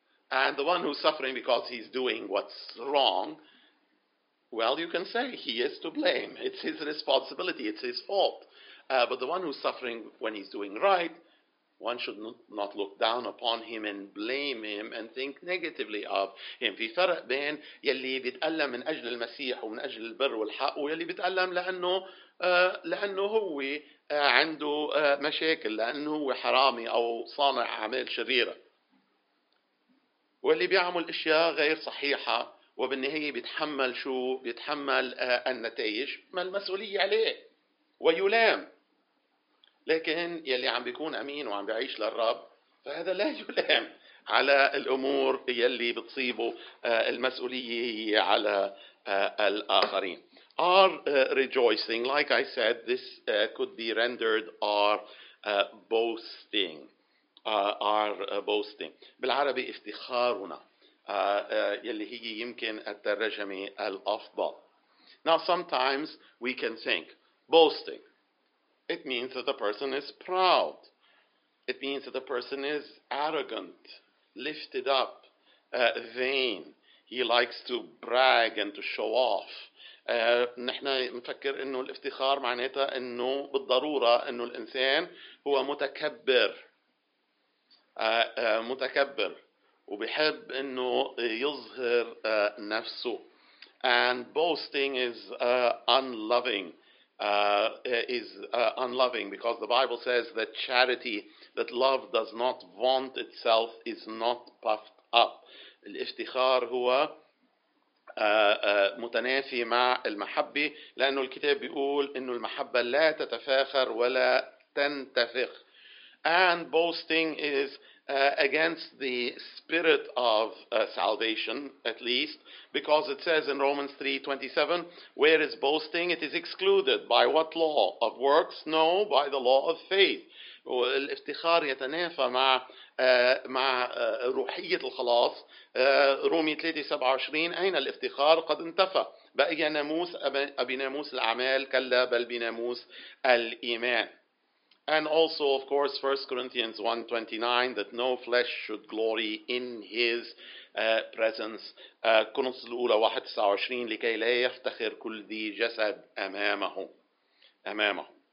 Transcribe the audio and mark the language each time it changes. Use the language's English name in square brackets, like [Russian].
[English] And the one who's suffering because he's doing what's wrong, well, you can say he is to blame. It's his responsibility. It's his fault. But the one who's suffering when he's doing right, one should not look down upon him and blame him and think negatively of him. [Arabic] في فرق بين يلي بيتألم من أجل المسيح ومن أجل البر والحق ويلي بيتألم لأنه هو عنده مشاكل لأنه هو حرامي أو صانع أعمال شريرة واللي بيعمل أشياء غير صحيحة وبالنهاية بيتحمل شو بيتحمل النتائج ما المسؤولية عليه ويلام لكن يلي عم بيكون أمين وعم بيعيش للرب فهذا لا يلام على الأمور يلي بتصيبه المسؤولية على الآخرين. [English] Are rejoicing, like I said, this could be rendered are boasting. Are boasting. [Arabic] بالعربي افتخارنا يلي هي يمكن الترجمة الأفضل. [English] Now sometimes we can think boasting. It means that the person is proud. It means that the person is arrogant, lifted up, vain. He likes to brag and to show off. [Arabic] نحن نفكر إنه الافتخار معناته إنه بالضرورة إنه الإنسان هو متكبر. متكبر وبيحب إنه يظهر نفسه. [English] And boasting is unloving. Is unloving because the Bible says that charity, that love does not vaunt itself, is not puffed up. [Arabic] الافتخار هو متنافي مع المحبة لأنه الكتاب بيقول إنه المحبة لا تتفاخر ولا تنتفخ. [English] And boasting is against the spirit of salvation, at least, because it says in Romans 3:27, where is boasting? It is excluded. By what law? Of works? No, by the law of faith. [Arabic] الافتخار يتنافى مع روحية الخلاص. رومي 3:27, أين الافتخار؟ قد انتفى. بقي ناموس أبي ناموس الأعمال كلا بل بناموس الإيمان. [English] And also, of course, 1 Corinthians 1:29, that no flesh should glory in his presence. [Arabic] كنص الأولى 1:29, لكي لا يفتخر كل ذي جسد أمامه.